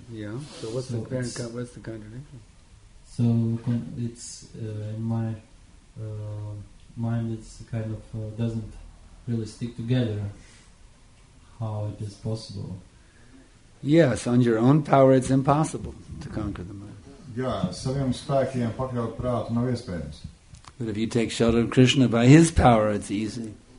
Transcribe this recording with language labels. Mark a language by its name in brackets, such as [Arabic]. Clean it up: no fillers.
[English] Yeah, so what's the contradiction? So it's in my mind, it's kind of doesn't really stick together how it is possible. Yes, on your own power it's impossible to conquer the mind. [Latvian] Yeah, saviem spēkiem pakļaut prātu nav iespējams. [English] But if you take shelter of Krishna by his power, it's easy.